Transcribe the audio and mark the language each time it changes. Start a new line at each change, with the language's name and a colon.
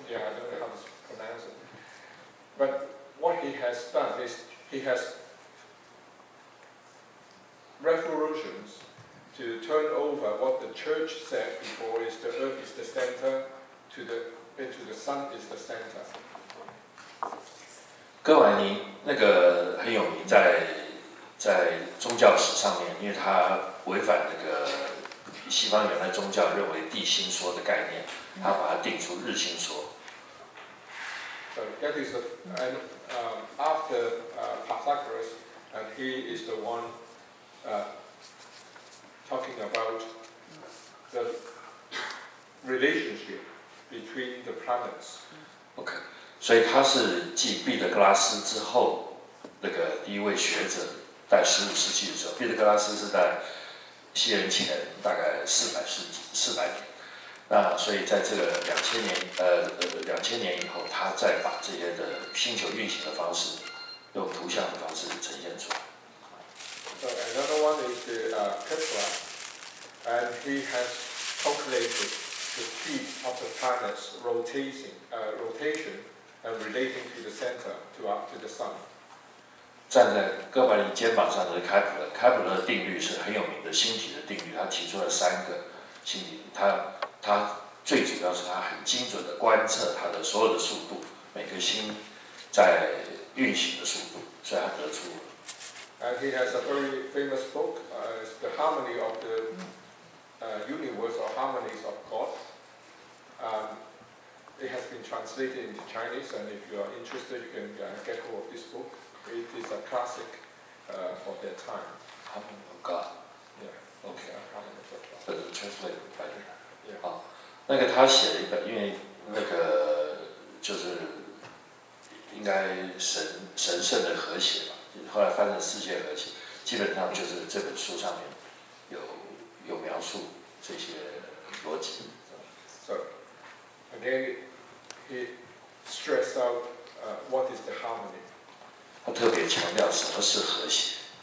English: Yeah, I don't know how to pronounce it. But what he has done is he has revolutions to turn over what the church said before is the earth is the center, into the sun is the center.
Chinese: 哥白尼那个很有名在宗教史上面，因为他违反那个西方原来宗教认为地心说的概念，他把它定出日心说。
English: So that is the and after Pythagoras, and he is the one talking about the relationship between the planets.
Chinese: Okay, 所以他是继毕德格拉斯之后那个第一位学者。在十五世纪的时候，毕德格拉斯是在西元前大概四百年。那所以在这个两千年以后，他再把这些的星球运行的方式，用图像的方式呈现出来。
English: So another one is the Tesla, and he has calculated the speed of the planets rotation and relating to the center to the sun.
Chinese: 站在哥白尼肩膀上的开普勒，开普勒的定律是很有名的星体的定律，他提出了三个星体，他最主要是他很精准的观测他的所有的速度，每个星在运行的速度，所以他得出了。
English: And he has a very famous book, the Harmony of the Universe or Harmonies of God. It has been translated into Chinese, and if you are interested, you can get hold of this book. It is a classic for that time. Harmony of God. Yeah. Okay. Harmony of God. But it's translated by him. Yeah.
Chinese: 好，那个他写了一本，因为那个就是应该神圣的和谐吧，后来翻成世界和谐，基本上就是这本书上面有描述这些逻辑。
English: So, again, he stressed out what is the harmony.
Chinese: 他特别强调什么是和谐。